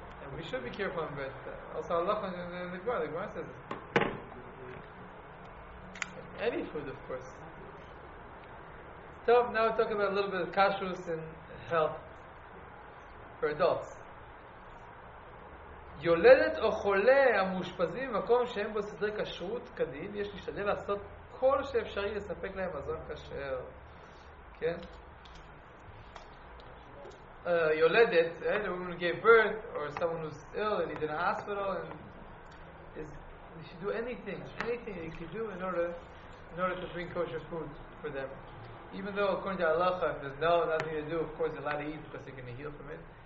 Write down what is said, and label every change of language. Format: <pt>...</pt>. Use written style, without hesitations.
<en>And we should be careful in bread. Also, halacha in the Gemara. The Gemara says any food, of course. So now we're talking about a little bit of kashrus and health for adults.</en> <he>יולדת או חולה המושפזים במקום שאין בו סדרי כשרות כדין, יש להשתדל לעשות כל שאפשרי לספק להם מזון כשר. כן?</he> <en>יולדת, right? A woman who gave birth, or someone who's ill and he's in a hospital, and you should do anything you can do in order to bring kosher food for them. Even though according to Allah, if there's nothing to do, of course you're allowed to eat because you're going to heal from it.</en>